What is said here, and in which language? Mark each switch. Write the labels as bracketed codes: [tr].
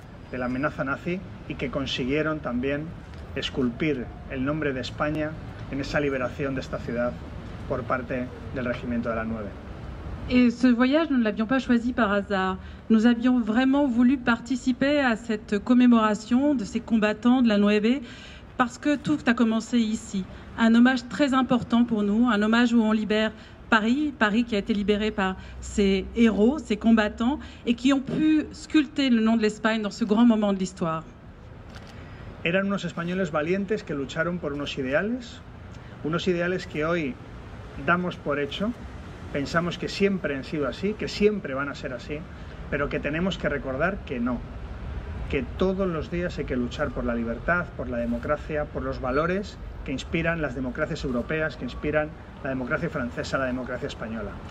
[es] de la amenaza nazi y que consiguieron también esculpir el nombre de España en esa liberación de esta ciudad por parte del regimiento de la 9. [fr] Et ce voyage, nous ne l'avions pas choisi par hasard. Nous avions vraiment voulu participer à cette commémoration de ces combattants de la 9B parce que tout a commencé ici. Un hommage très important pour nous, un hommage où on libère Paris, Paris qui a été libéré par ces héros, ces combattants, et qui ont pu sculpter le nom de l'Espagne dans ce grand moment de l'histoire. [es] Eran unos españoles valientes que lucharon por unos ideales que hoy damos por hecho. Pensamos que siempre han sido así, que siempre van a ser así, pero que tenemos que recordar que no, que todos los días hay que luchar por la libertad, por la democracia, por los valores que inspiran las democracias europeas, que inspiran la democracia francesa, la democracia española.